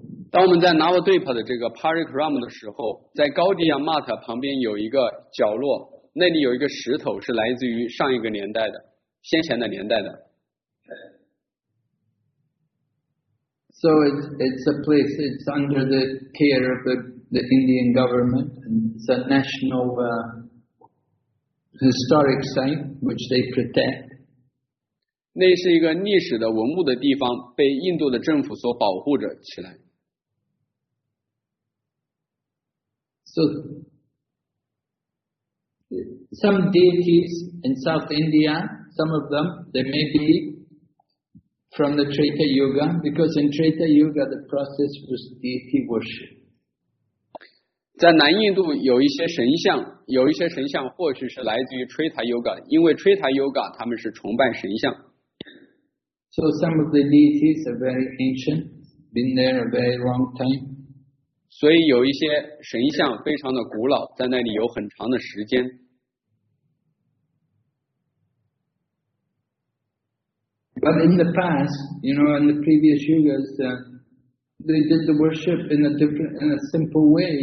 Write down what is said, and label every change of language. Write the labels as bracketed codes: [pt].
[zh] 当我们在 Navadvipa 的这个 Parikram 的时候，在 Gaudiya Math 旁边有一个角落，那里有一个石头是来自于上一个年代的，先前的年代的。 [en] So it's a place. It's under the care of the Indian government, and it's a national historic site which they protect. [zh] 那是一个历史的文物的地方，被印度的政府所保护着起来。 [en] So, some deities in South India, some of them, they may be from the Treta Yuga, because in Treta Yuga the process was deity worship. [zh] 在南印度有一些神像，有一些神像或许是来自于 Treta Yuga, 因为 Treta Yuga 他们是崇拜神像。 [en] So some of the deities are very ancient, been there a very long time. [zh] 所以有一些神像非常的古老，在那里有很长的时间。 [en] But in the past, you know, in the previous yugas, they did the worship in a simple way.